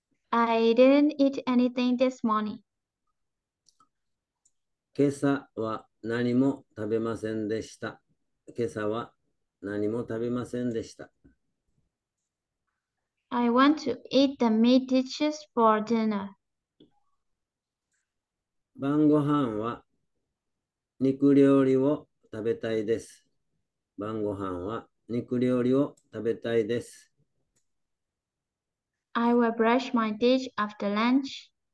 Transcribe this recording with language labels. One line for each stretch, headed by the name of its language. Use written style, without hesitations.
English: I didn't eat anything this morning.
Japanese: 今朝は何も食べませんでした。今朝は何も食べませんでした。
English: I want to eat the meat dishes for dinner.
Japanese: 晩ご飯は肉料理を食べたいです。晩ご飯は肉料理を食べたいです。
English: I will brush my teeth after lunch.